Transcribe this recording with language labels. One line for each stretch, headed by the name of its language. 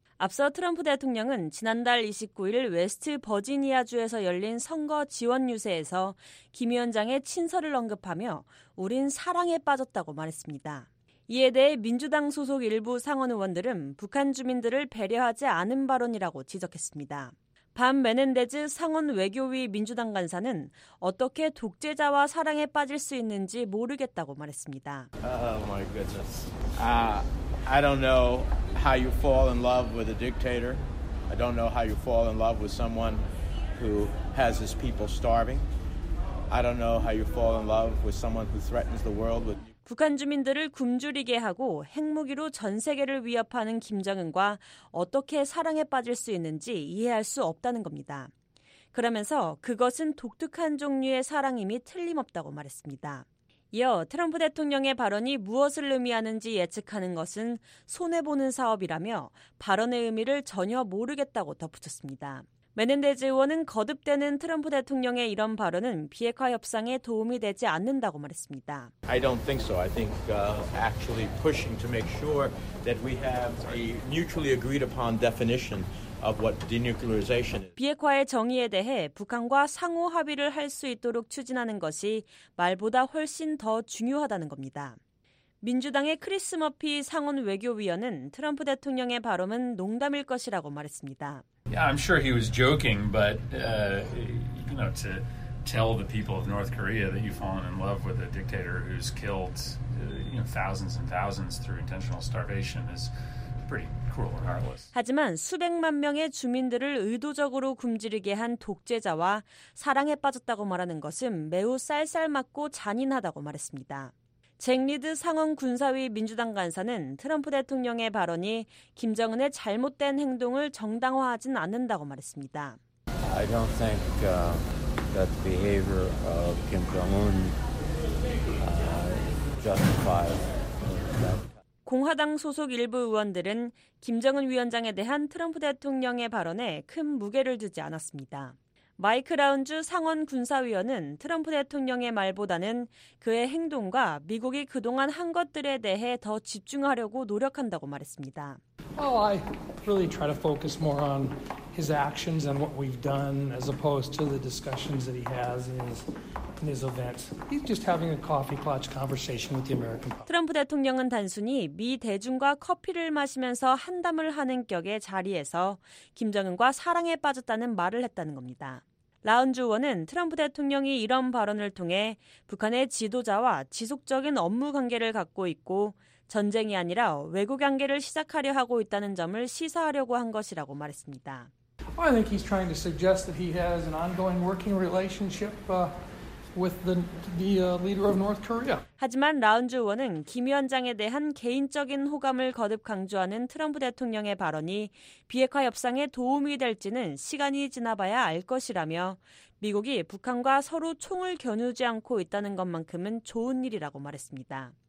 Korean: 앞서 트럼프 대통령은 지난달 29일 웨스트 버지니아주에서 열린 선거 지원 유세에서 김 위원장의 친서를 언급하며 우린 사랑에 빠졌다고 말했습니다. 이에 대해 민주당 소속 일부 상원 의원들은 북한 주민들을 배려하지 않은 발언이라고 지적했습니다. 밤 메넨데즈 상원 외교위 민주당 간사는 어떻게 독재자와 사랑에 빠질 수 있는지 모르겠다고 말했습니다.
English: Oh my goodness. I don't know how you fall in love with a dictator. I don't know how you fall in love with someone who has his people starving. I don't know how you fall in love with someone who threatens the world with
Korean: 북한 주민들을 굶주리게 하고 핵무기로 전 세계를 위협하는 김정은과 어떻게 사랑에 빠질 수 있는지 이해할 수 없다는 겁니다. 그러면서 그것은 독특한 종류의 사랑임이 틀림없다고 말했습니다. 이어 트럼프 대통령의 발언이 무엇을 의미하는지 예측하는 것은 손해보는 사업이라며 발언의 의미를 전혀 모르겠다고 덧붙였습니다. 메넨데즈 의원은 거듭되는 트럼프 대통령의 이런 발언은 비핵화 협상에 도움이 되지 않는다고 말했습니다.
English: I don't think so. I think actually pushing to make sure that we have a mutually agreed upon definition of what denuclearization is.
Korean: 비핵화의 정의에 대해 북한과 상호 합의를 할 수 있도록 추진하는 것이 말보다 훨씬 더 중요하다는 겁니다. 민주당의 크리스 머피 상원 외교위원은 트럼프 대통령의 발언은 농담일 것이라고 말했습니다.
English: Yeah, I'm sure he was joking, but you know, to tell the people of North Korea that you've fallen in love with a dictator who's killed you know, thousands and thousands through intentional starvation is pretty cruel and heartless.
Korean: 하지만 수백만 명의 주민들을 의도적으로 굶주리게 한 독재자와 사랑에 빠졌다고 말하는 것은 매우 쌀쌀맞고 잔인하다고 말했습니다. 잭 리드 상원 군사위 민주당 간사는 트럼프 대통령의 발언이 김정은의 잘못된 행동을 정당화하진 않는다고 말했습니다.
English: I don't think that behavior of Kim Jong-un justifies that.
Korean: 공화당 소속 일부 의원들은 김정은 위원장에 대한 트럼프 대통령의 발언에 큰 무게를 두지 않았습니다. 마이크 라운주 상원 군사위원은 트럼프 대통령의 말보다는 그의 행동과 미국이 그동안 한 것들에 대해 더 집중하려고 노력한다고 말했습니다.
English: Oh, I really try to focus more on his actions and what we've done as opposed to the discussions that he has in his events. He's just having a coffee clutch conversation with the American public.
Korean: 트럼프 대통령은 단순히 미 대중과 커피를 마시면서 한담을 하는 격의 자리에서 김정은과 사랑에 빠졌다는 말을 했다는 겁니다. 라운주 의원은 트럼프 대통령이 이런 발언을 통해 북한의 지도자와 지속적인 업무 관계를 갖고 있고 전쟁이 아니라 외교 관계를 시작하려 하고 있다는 점을 시사하려고 한 것이라고 말했습니다.
English: I think he's trying to suggest that he has an ongoing working relationship with the leader of North Korea.
Korean: 하지만 라운즈 의원은 김 위원장에 대한 개인적인 호감을 거듭 강조하는 트럼프 대통령의 발언이 비핵화 협상에 도움이 될지는 시간이 지나봐야 알 것이라며 미국이 북한과 서로 총을 겨누지 않고 있다는 것만큼은 좋은 일이라고 말했습니다.